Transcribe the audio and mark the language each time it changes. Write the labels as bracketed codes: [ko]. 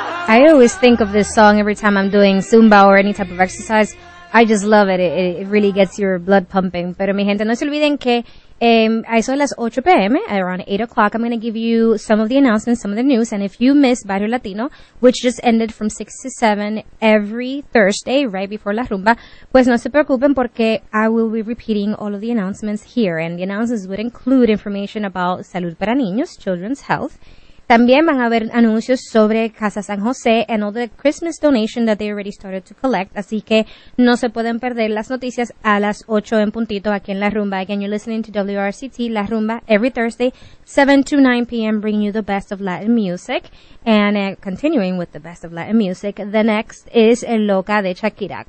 [en] I always think of this song every time I'm doing Zumba or any type of exercise. I just love it. It really gets your blood pumping. [es] Pero mi gente, no se olviden que I saw las 8 p.m. [en] around 8 o'clock. I'm going to give you some of the announcements, some of the news. And if you miss Barrio Latino, which just ended from 6 to 7 every Thursday, right before La Rumba, [es] pues no se preocupen porque [en] I will be repeating all of the announcements here. And the announcements would include information about Salud para Niños, Children's Health. [es] También van a haber anuncios sobre [en] Casa San José and all the Christmas donation that they already started to collect. [es] Así que no se pueden perder las noticias a las 8 en puntito aquí en La Rumba. [en] Again, you're listening to WRCT La Rumba every Thursday, 7 to 9 p.m., bringing you the best of Latin music. And continuing with the best of Latin music, the next is El Loca de Shakira.